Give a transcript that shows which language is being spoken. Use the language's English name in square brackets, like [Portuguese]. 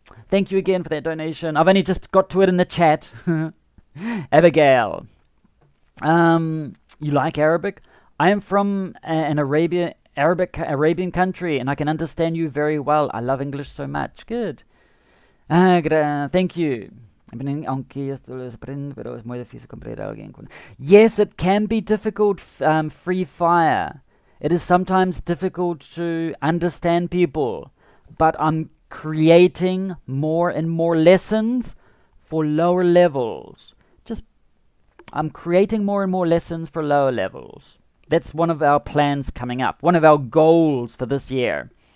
[English] Thank you again for that donation. I've only just got to it in the chat. Abigail. You like Arabic? I am from an Arabian country and I can understand you very well. I love English so much. Good. Thank you. [Spanish] Aunque ya esto lo aprendo, pero es muy difícil comprender a alguien. [English] Yes, it can be difficult, free fire. It is sometimes difficult to understand people, but I'm creating more and more lessons for lower levels. I'm creating more and more lessons for lower levels. That's one of our plans coming up, one of our goals for this year.